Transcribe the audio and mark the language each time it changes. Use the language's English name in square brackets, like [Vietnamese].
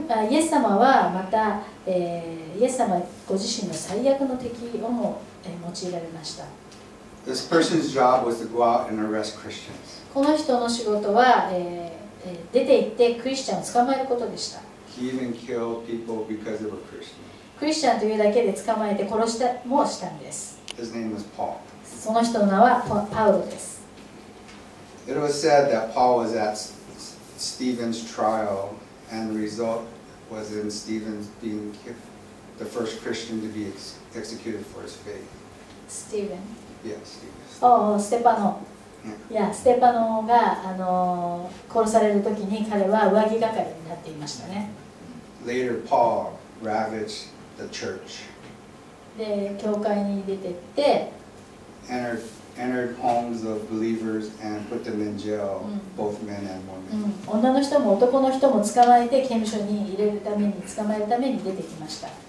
[Japanese] イエス様はまた、イエス様ご自身の最悪の敵をも、用いられました。 [English] This person's job was to go out and arrest Christians. [Japanese] この人の仕事は、出て行ってクリスチャンを捕まえることでした。 [English] He even killed people because they were Christians. [Japanese] クリスチャンというだけで捕まえて殺したもしたんです。 [English] His name was Paul. [Japanese] その人の名は パウロです。 [English] It was said that Paul was at Stephen's trialAnd the result was in Stephen being the first Christian to be executed for his faith. Stephen. Yeah, Stephen. Oh, Stepano. Yeah, [Japanese] Stepano が殺される時に彼は上着係になっていましたね。 [English] Later, Paul ravaged the church. [Japanese] で、教会に出てって。 [English] Entered homes of believers and put them in jail, both men and women. [Japanese] 女の人も男の人も捕まえて刑務所に入れるために捕まえるために出てきました。